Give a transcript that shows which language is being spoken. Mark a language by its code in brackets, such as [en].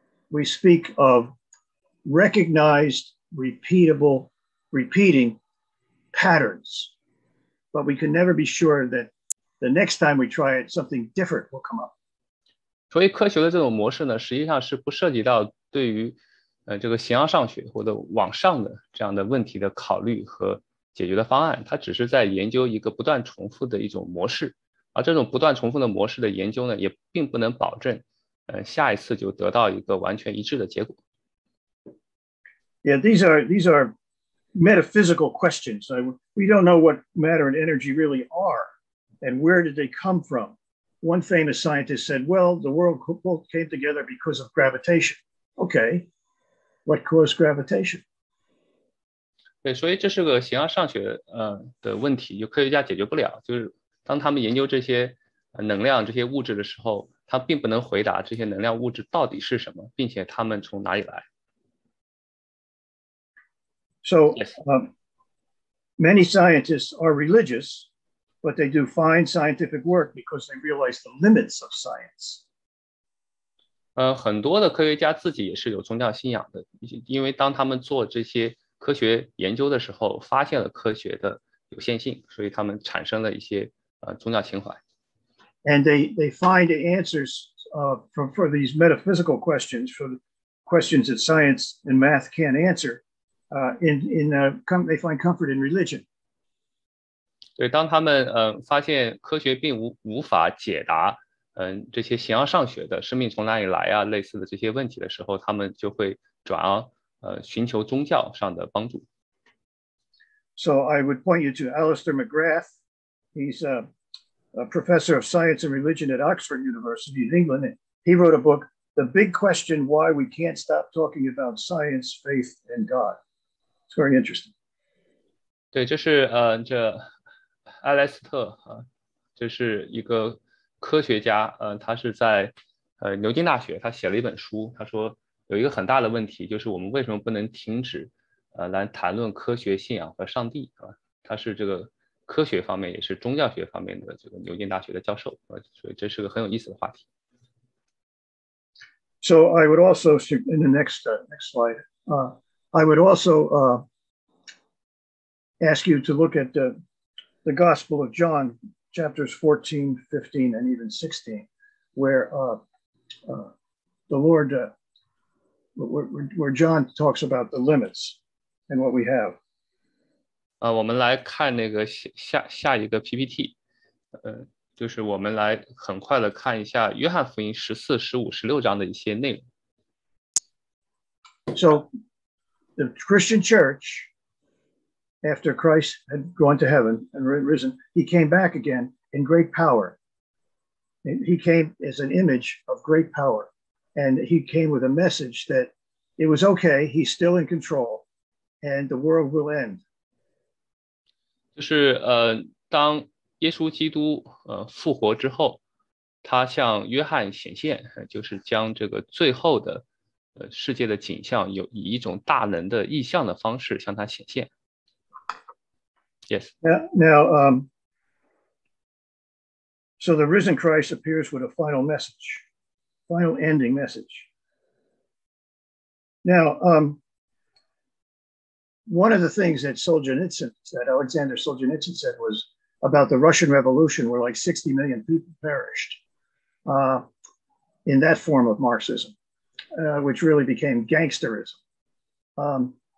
[en] We speak of recognized, repeating patterns. But we can never be sure that the next time we try it, something different will come up. [zh] 所以科学的这种模式呢，实际上是不涉及到对于这个形而上学或者往上的这样的问题的考虑和解决的方案，它只是在研究一个不断重复的一种模式，而这种不断重复的模式的研究呢，也并不能保证，下一次就得到一个完全一致的结果。 [en] Yeah, these are metaphysical questions. We don't know what matter and energy really are, and where did they come from? One famous scientist said, "Well, the world both came together because of gravitation." Okay. What caused gravitation? [zh] 对，所以这是个形而上学的问题，就科学家解决不了。就是当他们研究这些能量、这些物质的时候，他并不能回答这些能量物质到底是什么，并且他们从哪里来。 [en] So, many scientists are religious, but they do fine scientific work because they realize the limits of science. [zh] 很多的科学家自己也是有宗教信仰的，因为当他们做这些科学研究的时候，发现了科学的有限性，所以他们产生了一些宗教情怀。 [en] And they find the answers for these metaphysical questions, for the questions that science and math can't answer, they find comfort in religion. [zh] 对，当他们发现科学并无法解答。这些形而上学的生命从哪里来啊类似的这些问题的时候，他们就会转而寻求宗教上的帮助。 [en] So I would point you to Alistair McGrath. He's a professor of science and religion at Oxford University in England. And he wrote a book, The Big Question, Why We Can't Stop Talking About Science, Faith, and God. It's very interesting. [zh] 对，这是这艾莱斯特这是一个科学家他是在牛津大学，他写了一本书，他说有一个很大的问题，就是我们为什么不能停止来谈论科学信仰和上帝啊。他是这个科学方面也是宗教学方面的这个牛津大学的教授啊，所以这是个很有意思的话题。 [en] So I would also in the next slide, I would also ask you to look at the Gospel of John. Chapters 14, 15, and even 16, where the Lord, where John talks about the limits and what we have. [zh] 我们来看那个下一个 PPT, 就是我们来很快的看一下约翰福音14、15、16章的一些内容。 [en] So, the Christian church, after Christ had gone to heaven and risen, he came back again. In great power. He came as an image of great power. And he came with a message that it was okay, he's still in control, and the world will end. [zh] 就是当耶稣基督复活之后，他向约翰显现，就是将这个最后的世界的景象有以一种大能的意象的方式向他显现。 [en] Yes. Now, so the risen Christ appears with a final message, final ending message. Now, one of the things that Alexander Solzhenitsyn said was about the Russian Revolution, where like 60 million people perished in that form of Marxism, which really became gangsterism.